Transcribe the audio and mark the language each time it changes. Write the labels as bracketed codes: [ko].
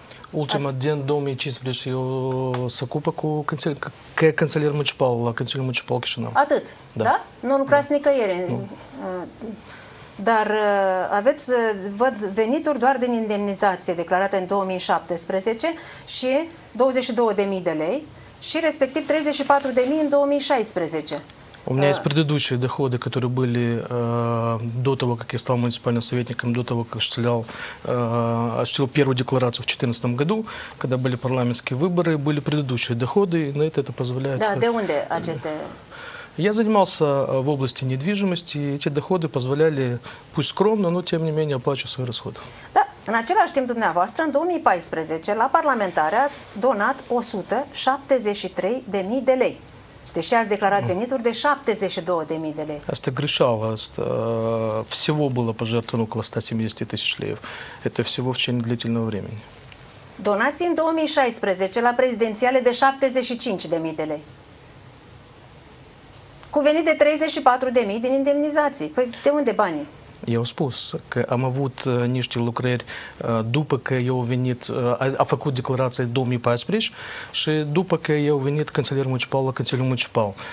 [ro] Ultima din 2015 eu se ocupă cu canțelier municipal, la canțelier municipal Chișinău. Atât? Da? Nu lucrați nicăieri? Nu. Dar aveți, văd, venituri doar din indemnizație declarată în 2017 și 22.000 de lei. Și respectiv 34.000 în 2016. [ru] У меня есть предыдущие доходы, которые были до того, как я стал муниципальным советником, до того, как осуществил первую декларацию в 2014 году, когда были парламентские выборы, были предыдущие доходы, и на это позволяет... [ro] Да, де унде аческе... [ru] Я занимался в области недвижимости, и эти доходы позволяли, пусть скромно, но тем не менее оплачивать свои расходы. Да. [ro] În același timp, dumneavoastră, în 2014, la parlamentare ați donat 173.000 de lei. Deși ați declarat venituri de 72.000 de lei. Asta e greșeală. [ru] Всего было пожертвовано около 170.000 de lei. Это всего в течение длительного времени. [ro] Donații în 2016 la prezidențiale de 75.000 de lei. Cu venit de 34.000 din indemnizații. Păi de unde banii? Eu spus că am avut niște lucrări după că eu venit, a făcut declarația 2014 și după că eu venit canțelier municipal la canțelier municipal.